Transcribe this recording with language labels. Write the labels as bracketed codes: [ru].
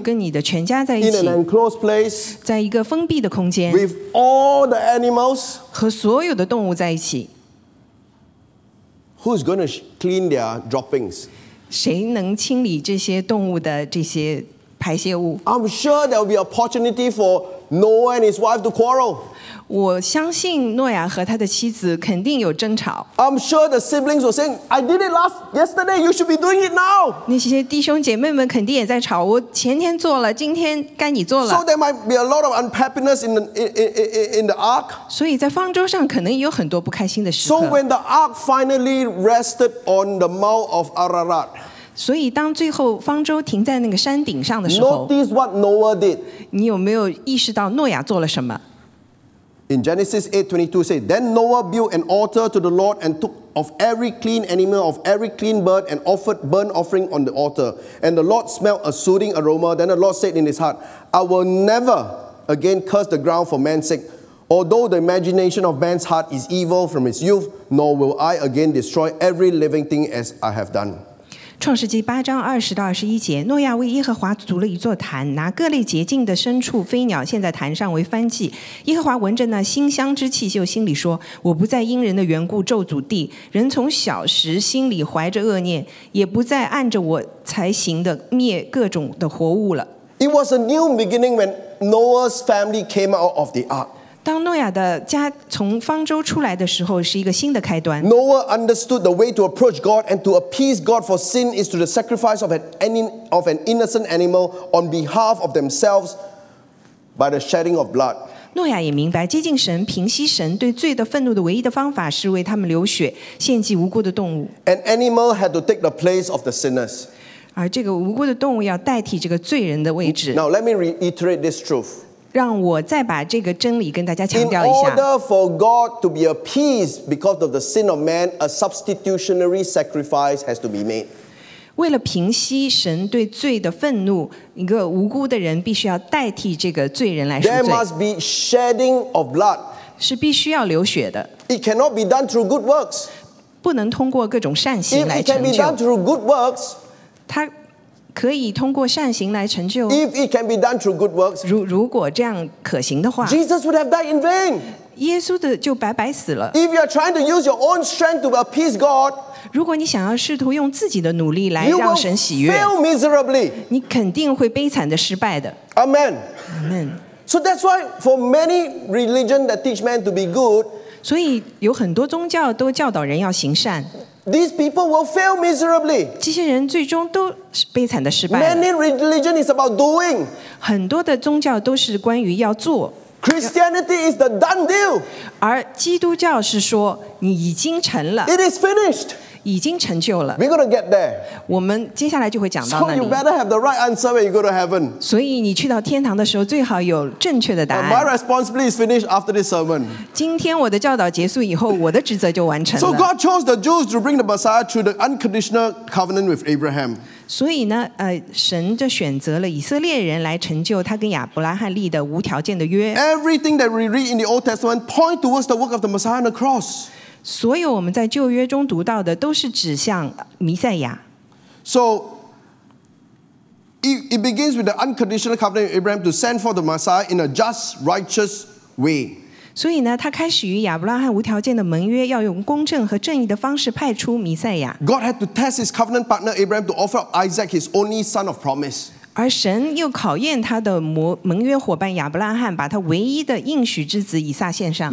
[zh] 跟你的全家在一起 [en] ，in an enclosed place, [zh] 在一个封闭的空间 [en] ，with all the animals, [zh] 和所有的动物在一起。 [en] Who's going to clean their droppings? [zh] 谁能清理这些动物的这些？排泄物。 [en] I'm sure there will be opportunity for Noah and his wife to quarrel. [zh] 我相信诺亚和他的妻子肯定有争吵。 [en] I'm sure the siblings will say, "I did it last yesterday. You should be doing it now." [zh] 那些弟兄姐妹们肯定也在吵。我前天做了，今天该你做了。 [en] So there might be a lot of unhappiness in the ark. [zh] 所以在方舟上可能有很多不开心的时刻。 [en] So when the ark finally rested on the Mount of Ararat. [zh] 所以当最后方舟停在那个山顶上的时候 [en] Notice what Noah did. [zh] 你有没有意识到诺亚做了什么 [en] In Genesis 8:22 say, Then Noah built an altar to the Lord and took of every clean animal, of every clean bird, and offered burnt offering on the altar. And the Lord smelled a soothing aroma. Then the Lord said in his heart, I will never again curse the ground for man's sake. Although the imagination of man's heart is evil from his youth, nor will I again destroy every living thing as I have done. [zh] 创世纪八章二十到二十一节，诺亚为耶和华筑了一座坛，拿各类洁净的牲畜、飞鸟献在坛上为燔祭。耶和华闻着那馨香之气，就心里说：“我不再因人的缘故咒诅地，人从小时心里怀着恶念，也不再按着我才行的灭各种的活物了。” [en] It was a new beginning when Noah's family came out of the ark. [zh] 当诺亚的家从方舟出来的时候，是一个新的开端。 [en] Noah understood the way to approach God and to appease God for sin is through the sacrifice of an innocent animal on behalf of themselves by the shedding of blood. [zh] 诺亚也明白，接近神、平息神对罪的愤怒的唯一的方法是为他们流血，献祭无辜的动物。 [en] An animal had to take the place of the sinners. [zh] 而这个无辜的动物要代替这个罪人的位置。 [en] Now let me reiterate this truth. [zh] 让我再把这个真理跟大家强调一下。 [en] In order for God to be appeased because of the sin of man, a substitutionary sacrifice has to be made. [zh] 为了平息神对罪的愤怒，一个无辜的人必须要代替这个罪人来赎罪。 [en] There must be shedding of blood. [zh] 是必须要流血的。 [en] It cannot be done through good works. [zh] 不能通过各种善行来成就。 [en] If it can be done through good works, [zh] 它可以通过善行来成就。 [en] If it can be done through good works, [zh] 如果这样可行的话 [en] ，Jesus would have died in vain. [zh] 耶稣的就白白死了。 [en] If you are trying to use your own strength to appease God, [zh] 如果你想要试图用自己的努力来让神喜悦， [en] you will fail miserably. [zh] 你肯定会悲惨的失败的。 [en] Amen. Amen. So that's why for many religion that teach man to be good. [zh] 所以有很多宗教都教导人要行善。 [en] These people will fail miserably. [zh] 这些人最终都是悲惨的失败。 [en] Many religion is about doing. [zh] 很多的宗教都是关于要做。 [en] Christianity is the done deal. [zh] 而基督教是说你已经成了。 [en] It is finished. [zh] 已经成就了。 [en] We're going to get there. [zh] 我们接下来就会讲到那里。 [en] So you better have the right answer when you go to heaven. [zh] 所以你去到天堂的时候最好有正确的答案。 [en] My responsibility is finished after this sermon. [zh] 今天我的教导结束以后我的职责就完成了。 [en] So God chose the Jews to bring the Messiah through the unconditional covenant with Abraham. [zh] 所以呢，神就选择了以色列人来成就他跟亚伯拉罕立的无条件的约。 [en] Everything that we read in the Old Testament points towards the work of the Messiah on the cross. [zh] 所有我们在旧约中读到的都是指向弥赛亚。 [en] So it begins with the unconditional covenant of Abraham to send for the Messiah in a just, righteous way. [zh] 所以呢，他开始与亚伯拉罕无条件的盟约，要用公正和正义的方式派出弥赛亚。 [en] God had to test his covenant partner Abraham to offer up Isaac, his only son of promise. [zh] 而神又考验他的盟约伙伴亚伯拉罕，把他唯一的应许之子以撒献上。